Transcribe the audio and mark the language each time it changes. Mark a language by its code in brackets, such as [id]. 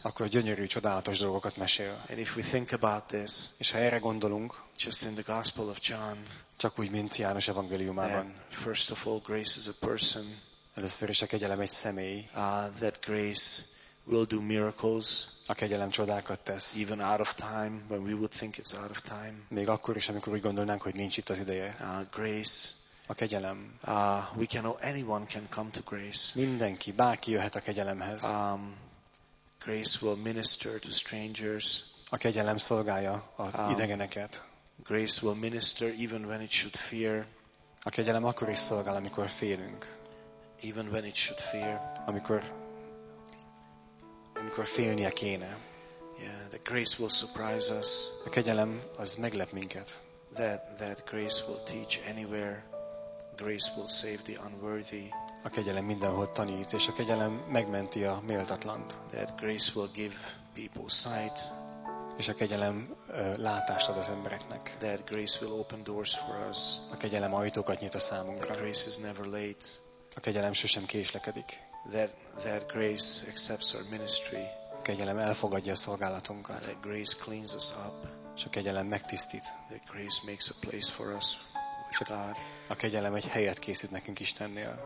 [hu] Akkor gyönyörű, csodálatos dolgokat mesél. [en] And if we think about this, [hu] és ha erre gondolunk, [en] just in the Gospel of John, [hu] csak úgy, mint János evangéliumában, [en] first of all, grace is a person. [hu] Először is a kegyelem egy személy. [en] That grace will do miracles. [hu] A kegyelem csodákat tesz. [en] Even out of time, when we would think it's out of time. [hu] Még akkor is, amikor úgy gondolnánk, hogy nincs itt az ideje. [en] Grace. [hu] A kegyelem. [en] We can know anyone can come to grace. [hu] Mindenki, bárki jöhet a kegyelemhez. [en] Grace will minister to strangers. [hu] A kegyelem szolgálja az idegeneket. [en] Grace will minister even when it should fear. [hu] A kegyelem akkor is szolgál, amikor félünk. [en] Even when it should fear. [hu] Amikor félnie kéne. [en] Yeah, the grace will surprise us. [hu] A kegyelem az meglep minket. [en] That grace will teach anywhere. Grace will save the unworthy. [hu] A kegyelem mindenhol tanít, és a kegyelem megmenti a méltatlant. [en] That grace will give people sight. [hu] És a kegyelem látást ad az embereknek. [en] That grace will open doors for us. [hu] A kegyelem ajtókat nyit a számunkra. [en] That grace is never late. [hu] A kegyelem sosem késlekedik. [en] That grace accepts our ministry. [hu] A kegyelem elfogadja a szolgálatunkat. [en] That grace cleans us up. [hu] És a kegyelem megtisztít. [en] That grace makes a place for us with God. [hu] A kegyelem egy helyet készít nekünk Istennél.